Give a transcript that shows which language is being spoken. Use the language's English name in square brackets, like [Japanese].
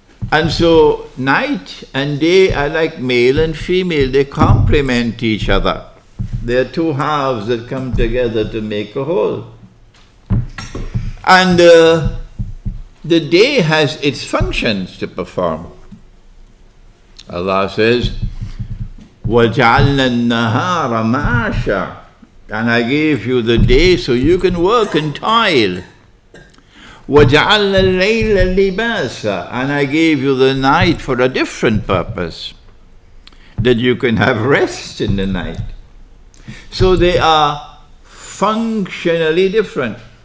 [English] And so night and day are like male and female. They complement each other. They are two halves that come together to make a whole. And the day has its functions to perform. Allah says, [Arabic] وَجَعَلْنَا النَّهَارَ مَعَاشًا. [English] And I gave you the day so you can work and toil. [Arabic] وَجَعَلْنَا اللَّيْلَ لِبَاسًا. [English] And I gave you the night for a different purpose, that you can have rest in the night. So they are functionally different.